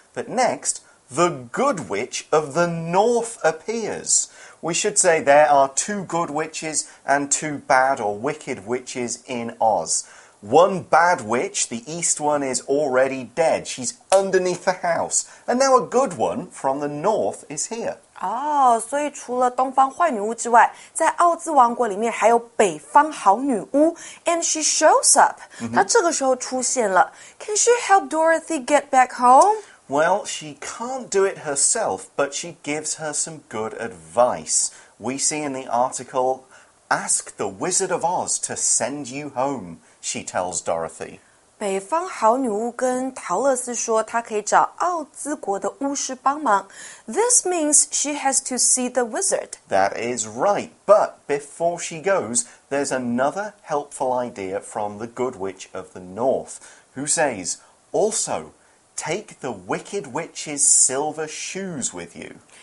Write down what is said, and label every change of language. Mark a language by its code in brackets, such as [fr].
[en] But next, the good witch of the north appears. We should say there are two good witches and two bad or wicked witches in Oz. One bad witch, the east one, is already dead. She's underneath the house. And now a good one from the north is here. [zh] Oh, 所以除了东方坏女巫之外，在奥兹王国里面还有北方好女巫。 [en] And she shows up. [zh] 她这个时候出现了。 [en] Can she help Dorothy get back home? Well, she can't do it herself, but she gives her some good advice. We see in the article, ask the Wizard of Oz to send you home, she tells Dorothy. [zh] 北方好女巫跟陶乐斯说她可以找奥兹国的巫师帮忙。 [en] This means she has to see the wizard. That is right, but before she goes, there's another helpful idea from the Good Witch of the North, who says, also... Take the Wicked Witch's silver shoes with you.